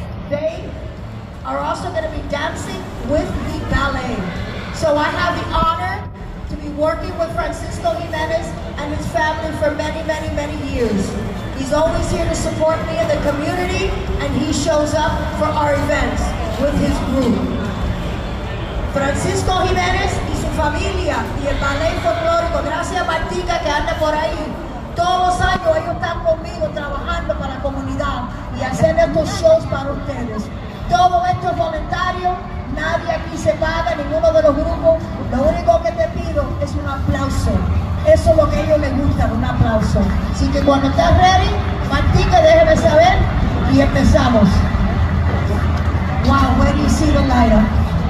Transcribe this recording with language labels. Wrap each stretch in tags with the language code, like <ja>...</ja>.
<en>They are also going to be dancing with the ballet. So I have the honor to be working with Francisco Jimenez and his family for many, many, many years. He's always here to support me in the community, and he shows up for our events with his group.</en> <es>Francisco Jimenez y su familia y el ballet folclórico, gracias a Martica que anda por ahí. Todos los años ellos están conmigo trabajando para la comunidad y hacer estos shows para ustedes. Todo esto es voluntario, nadie aquí se paga, ninguno de los grupos. Lo único que te pido es un aplauso. Eso es lo que a ellos les gusta, un aplauso. Así que cuando estás ready, Martica, déjeme saber y empezamos.</es> <en>Wow, where do you see the light up?</en>